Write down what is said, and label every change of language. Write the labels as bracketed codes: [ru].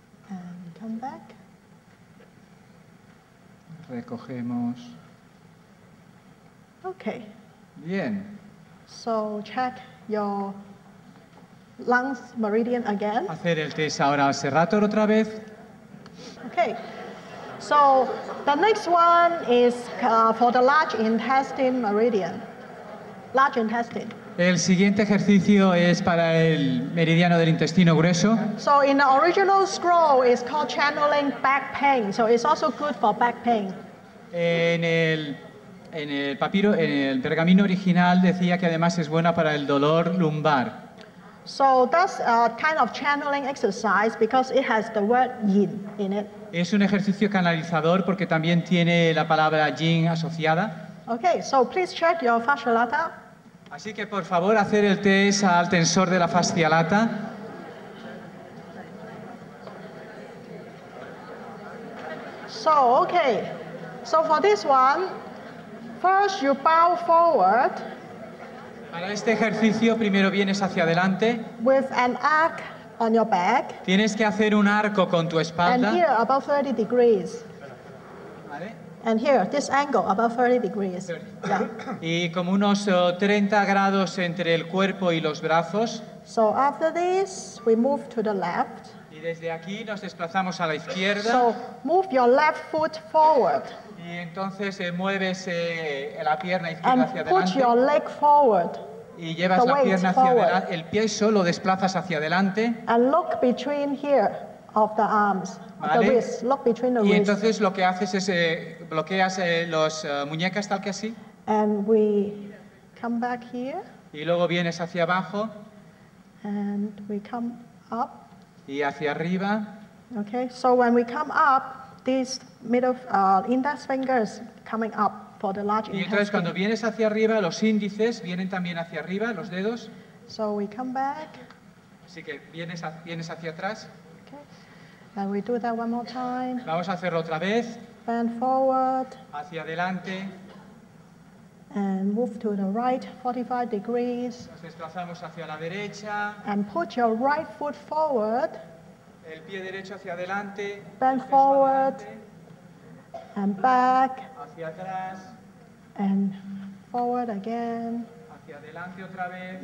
[en] And come back. [es] Recogemos. [en] Okay. [es] Bien. [en] So check your lungs meridian again. [es] Hacer el test ahora al serrator otra vez. [en] Okay. So the next one is for the large intestine meridian. Large intestine. [es] El siguiente ejercicio es para el meridiano del intestino grueso. [en] So in the original scroll it's called channeling back pain. So it's also good for back pain. [es] En el papiro, en el pergamino original decía que además es buena para el dolor lumbar. [en] So that's a kind of channeling exercise because it has the word yin in it. [es] Es un ejercicio canalizador porque también tiene la palabra yin asociada. [en] Okay, so please check your fascia lata. [es] Así que por favor hacer el test al tensor de la fascia lata. [en] So okay, so for this one, first you bow forward. [es] Para este ejercicio primero vienes hacia adelante. [en] With an arc on your back. [es] Tienes que hacer un arco con tu espalda. [en] And here about 30 degrees. And here, this angle, about 30 degrees. [es] Yeah. Y como unos 30 grados entre el cuerpo y los brazos. [en] So after this, we move to the left. [es] Y desde aquí nos desplazamos a la izquierda. [en] So move your left foot forward. [es] Y entonces mueves la pierna izquierda [en] and [es] hacia adelante. [en] Put your leg forward. [es] Y llevas [en] the [es] la pierna hacia adelante. El pie solo desplazas hacia adelante. [en] And look between here of the arms. [es] ¿Vale? [en] The wrist, look between the [es] y [en] wrist. [es] Entonces lo que haces es bloqueas los muñecas tal que así. [en] And we come back here. [es] Y luego vienes hacia abajo. [en] And we come up. [es] Y hacia arriba. [en] Okay, so when we come up, these middle index fingers coming up for the large intestine. [es] Y entonces cuando vienes hacia arriba, los índices vienen también hacia arriba, los dedos. [en] So we come back. [es] Así que vienes hacia atrás. [en] And we do that one more time. [es] Vamos a hacerlo otra vez. [en] Bend forward. [es] Hacia adelante. [en] And move to the right 45 degrees. [es] Nos desplazamos hacia la derecha. [en] And put your right foot forward. [es] El pie derecho hacia adelante. [en] Bend forward. And back. [es] Hacia atrás. [en] And forward again. [es] Hacia adelante otra vez.